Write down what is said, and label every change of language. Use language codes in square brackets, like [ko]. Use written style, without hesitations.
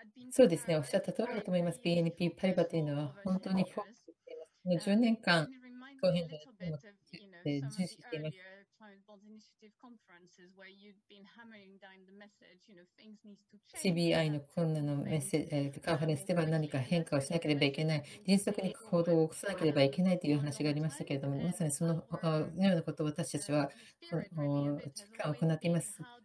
[ja] そうですね、おっしゃった通りだと思います。BNP パリバというのは本当に10年間、気候変動を重視しています。 [en] World Initiative conferences where you've been hammering down the message, you know, things need to change. [ja] CBI の今年のメッセージ、カンファレンスでは何か変化をしなければいけない、迅速に行動を起こさなければいけないという話がありましたけれども、まさにそのようなことを私たちは行っています。